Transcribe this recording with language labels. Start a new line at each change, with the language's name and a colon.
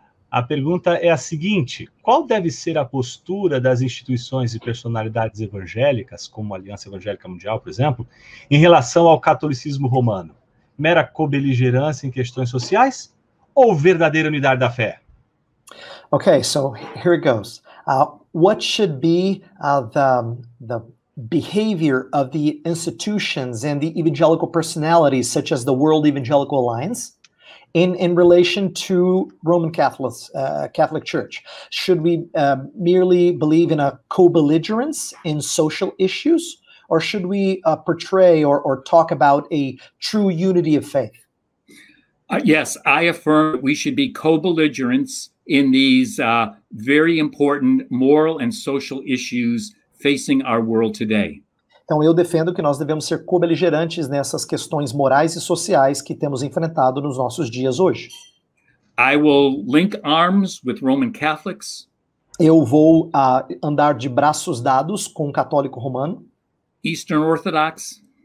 Portuguese: A pergunta é a seguinte: qual deve ser a postura das instituições e personalidades evangélicas, como a Aliança Evangélica Mundial, por exemplo, em relação ao catolicismo romano? Mera cobeligerância em questões sociais ou verdadeira unidade da fé?
English: Okay, so here it goes. What should be the behavior of the institutions and the evangelical personalities, such as the World Evangelical Alliance, in relation to Roman Catholics, Catholic Church? Should we merely believe in a co-belligerence in social issues, or should we portray or talk about a true unity of faith? Yes, I affirm we should be co-belligerents in these very important moral and social issues facing our world today.
Portuguese: Então eu defendo que nós devemos ser cobeligerantes nessas questões morais e sociais que temos enfrentado nos nossos dias hoje.
English: I will link arms with Roman Catholics.
Portuguese: Eu vou andar de braços dados com o católico romano.
English: Eastern Orthodox.